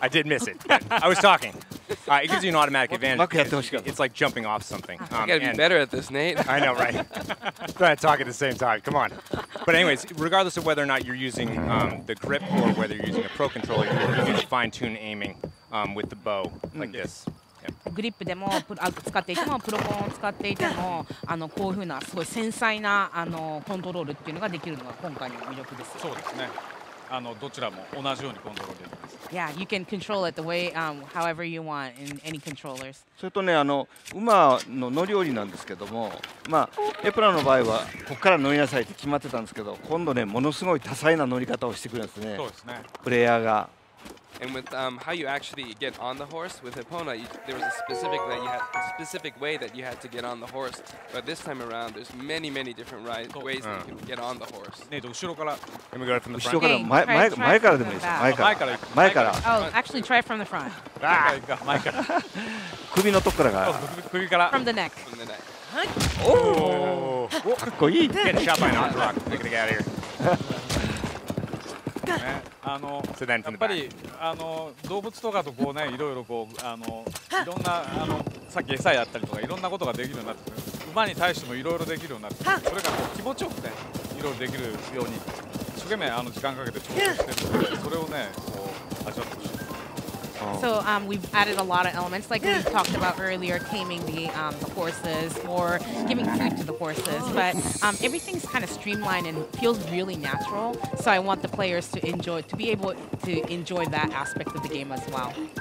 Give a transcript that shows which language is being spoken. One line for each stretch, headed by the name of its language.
English: I did miss it. I was talking. It gives you an automatic advantage. Okay, don't you go. It's like jumping off something. You gotta be better at this, Nate. I know, right? Try to talk at the same time. Come on. But anyways, regardless of whether or not you're using the grip or whether you're using a pro controller, you can fine-tune aiming with the bow like this.
Japanese: グリップでも使っていてもプロコンを使っていてもこういうふうなすごい繊細なコントロールっていうのができるのが今回の魅力です。そうですね。どちらも同じようにコントロールできます。
English: Yeah, you can control it the way, however you want in any controllers.
Japanese: それとね馬の乗り降りなんですけども、まあエプラの場合はここから乗りなさいって決まってたんですけど、今度ねものすごい多彩な乗り方をしてくるんですね。そうですね。プレイヤーが。
English: And with how you actually get on the horse with Epona, there was a specific way that you had to get on the horse. But this time around, there's many, many different ways that you can get on the horse.
Japanese: Nate, 後ろから。
English: Let me go from the front.
Japanese: 後ろから。前からでもいいですよ。前から。
English: Oh, actually, try from the front.
Japanese: 前から。首のとこからが。首から。
English: From the neck. From the neck.
Japanese: Oh! かっこいい。
English: Getting shot by an otter rock. We're gonna get out of here.
Japanese: やっぱり動物とかとこうねいろいろこういろんなさっき餌やったりとかいろんなことができるようになって、馬に対してもいろいろできるようになって、それがこう気持ちよくねいろいろできるように一生懸命時間かけて調整してるので、それをねこう味わってほしい。
English: So we've added a lot of elements, like we talked about earlier, taming the horses or giving food to the horses. But everything's kind of streamlined and feels really natural. So I want the players to enjoy, to be able to enjoy that aspect of the game as well.